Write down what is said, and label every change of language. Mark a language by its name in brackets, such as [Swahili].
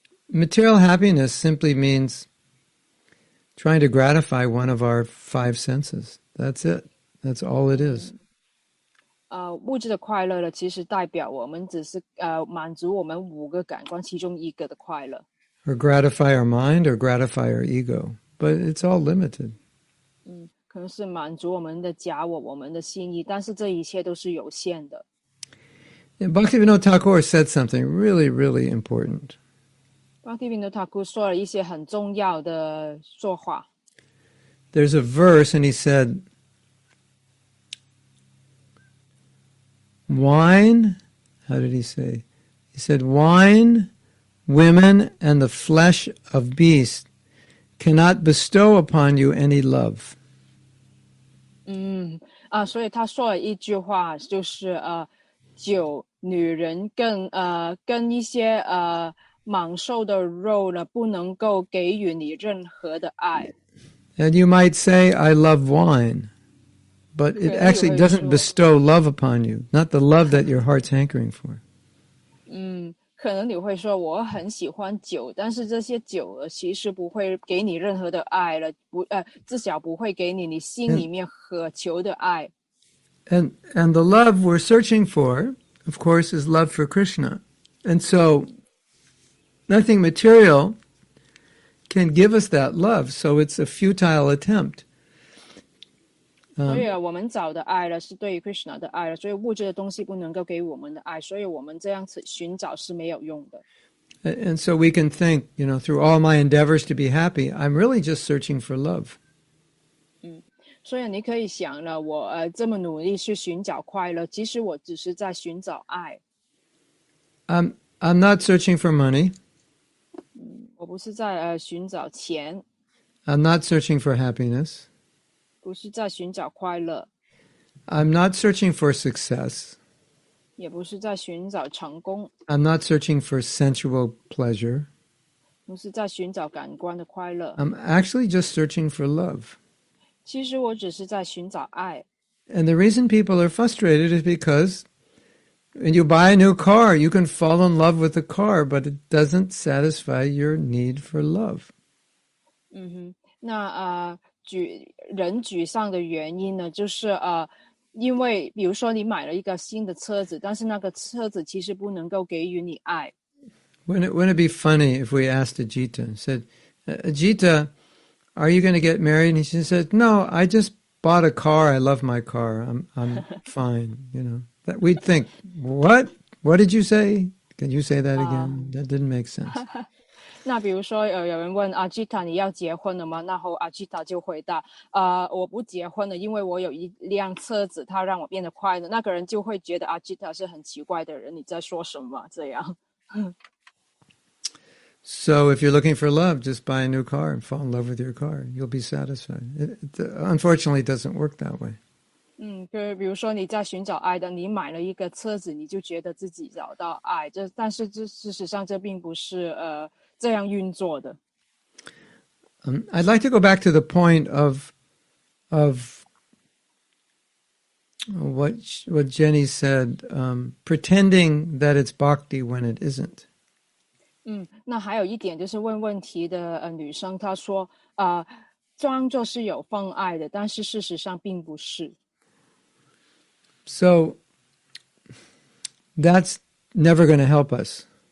[English] material happiness simply means trying to gratify one of our five senses. That's it. That's all it is. [Chinese] 物质的快乐呢，其实代表我们只是满足我们五个感官其中一个的快乐。 [English] Or gratify our mind or gratify our ego, but it's all limited. [Chinese] 可能是满足我们的假我，我们的心意，但是这一切都是有限的。 [English] Bhaktivinoda Thakur said something really, really important. [Chinese] Bhaktivinoda Thakur 说了一些很重要的说话。 [English] There's a verse, and he said, wine, how did he say? He said, wine, women, and the flesh of beasts cannot bestow upon you any love. [Chinese] 所以他说了一句话，就是酒、女人跟一些蟒兽的肉呢，不能够给予你任何的爱。 [English] And you might say, I love wine, but [Chinese] 可 [English] it actually [Chinese] 会 [English] doesn't [Chinese] 说， [English] bestow love upon you, not the love that your heart's hankering for. [Chinese] 可能你会说我很喜欢酒，但是这些酒其实不会给你任何的爱了，至少不会给你心里面渴求的爱。 [English] And the love we're searching for, of course, is love for Krishna. And so nothing material can give us that love, so it's a futile attempt. [Chinese] 所以啊，我们找的爱呢，是对于 Krishna 的爱了，所以物质的东西不能够给我们的爱，所以我们这样子寻找是没有用的。 [English] And so we can think, you know, through all my endeavors to be happy, I'm really just searching for love. [Chinese] 所以你可以想了，我这么努力去寻找快乐，其实我只是在寻找爱。 [English] I'm not searching for money. [Chinese] 我不是在寻找钱。 [English] I'm not searching for happiness. [Chinese] 不是在寻找快乐， [English] I'm not searching for success. [Chinese] 也不是在寻找成功， [English] I'm not searching for sensual pleasure. [Chinese] 不是在寻找感官的快乐。 [English] I'm actually just searching for love. [Chinese] 其实我只是在寻找爱。 [English] And the reason people are frustrated is because when you buy a new car, you can fall in love with the car, but it doesn't satisfy your need for love. [Chinese] 那人沮丧的原因呢，就是因为比如说你买了一个新的车子，但是那个车子其实不能够给予你爱。 [English] Wouldn't it be funny if we asked Ajita and said, Ajita, are you going to get married? And she said, No, I just bought a car. I love my car. I'm fine. You know, that we'd think, What? What did you say? Can you say that again? That didn't make sense. [Chinese] 那比如说，有人问阿吉塔你要结婚了吗？然后阿吉塔就回答：“我不结婚了，因为我有一辆车子，它让我变得快乐。” 那个人就会觉得阿吉塔是很奇怪的人，你在说什么？这样。 [English] So, if you're looking for love, just buy a new car and fall in love with your car. You'll be satisfied. Unfortunately, it doesn't work that way. [Chinese] 就比如说你在寻找爱的，你买了一个车子，你就觉得自己找到爱。但是这事实上这并不是这样运作的。 [English] I'd like to go back to the point of what Jenny said, pretending that it's bhakti when it isn't. [Chinese] 那还有一点就是问题的女生，她说装作是有份爱的，但是事实上并不是。 [English] So that's never going to help us.